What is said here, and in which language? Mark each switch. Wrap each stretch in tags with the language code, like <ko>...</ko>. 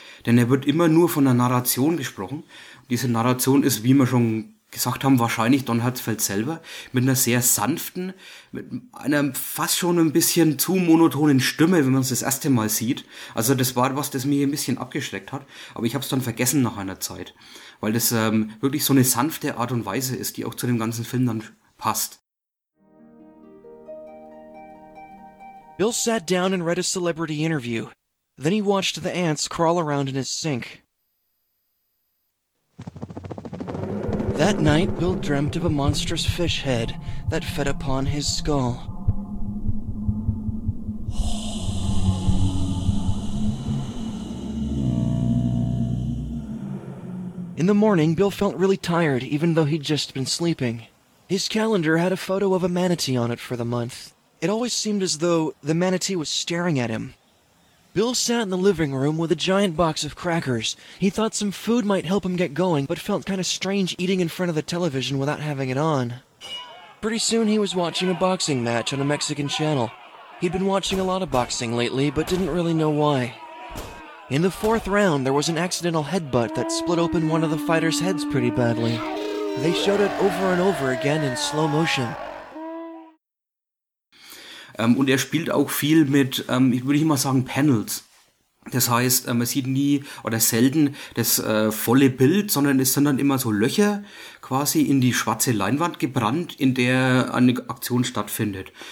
<de>Denn er wird immer nur von der Narration gesprochen. Und diese Narration ist, wie wir schon gesagt haben, wahrscheinlich Don Hertzfeldt selber, mit einer sehr sanften, mit einer fast schon ein bisschen zu monotonen Stimme, wenn man es das erste Mal sieht. Also das war was, das mich ein bisschen abgeschreckt hat, aber ich habe es dann vergessen nach einer Zeit, weil das wirklich so eine sanfte Art und Weise ist, die auch zu dem ganzen Film dann passt.</de> <en>Bill sat down and read a celebrity interview. Then he watched the ants crawl around in his sink. That night, Bill dreamt of a monstrous fish head that fed upon his skull. In the morning, Bill felt really tired, even though he'd just been sleeping. His calendar had a photo of a manatee on it for the month. It always seemed as though the manatee was staring at him. Bill sat in the living room with a giant box of crackers. He thought some food might help him get going, but felt kind of strange eating in front of the television without having it on. Pretty soon he was watching a boxing match on a Mexican channel. He'd been watching a lot of boxing lately, but didn't really know why. In the fourth round, there was an accidental headbutt that split open one of the fighters' heads pretty badly. They showed it over and over again in slow motion.</en> <de>Und er spielt auch viel mit, würde ich mal sagen, Panels. Das heißt, man sieht nie oder selten das volle Bild, sondern es sind dann immer so Löcher quasi in die schwarze Leinwand gebrannt, in der eine Aktion stattfindet.</de>